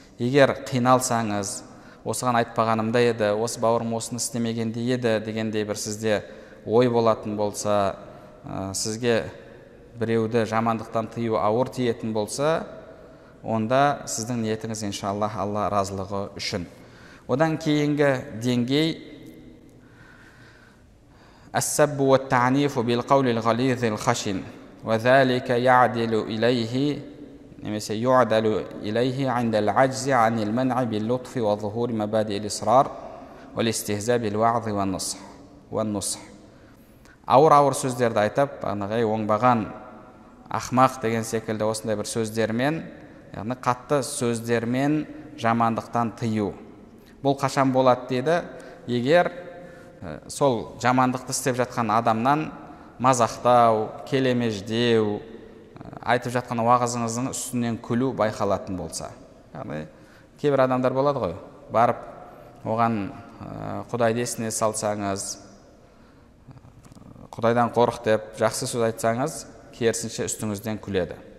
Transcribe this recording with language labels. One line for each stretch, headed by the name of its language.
Kazakh: Егер қиналсаңыз, осыған айтпағанымда еді, осы бауырым осыны істемегенде еді дегендей бір сізде ой болатын болса, сізге біреуді жамандықтан тыю ауыр тиетін болса, онда сіздің ниетіңіз иншаллах Алла разылығы үшін. Одан кейінгі деңгей
Arabic: السب والتعنيف بالقول الغليظ الخشن وذلك يعدل إليه يعدل إليه عند العجز عن المنع باللطف وظهور مبادئ الإصرار والاستهزاء بالوعظ والنصح والنصح
Kazakh: ауыр ауыр сөздерді айтып, анығай оңбаған ақмақ деген секілді осындай бір сөздермен, яғни қатты сөздермен жамандықтан тыю. Бұл қашан болады деді? Егер сол жамандықты істеп жатқан адамнан мазақтау, келемеждеу, айтып жатқан уағызыңыздың үстінен күлу байқалатын болса. Яғни кейбір адамдар болады ғой, барып оған Құдай десіне салсаңыз, Құдайдан қорық деп жақсы сөз айтсаңыз, керісінше үстіңізден күледі.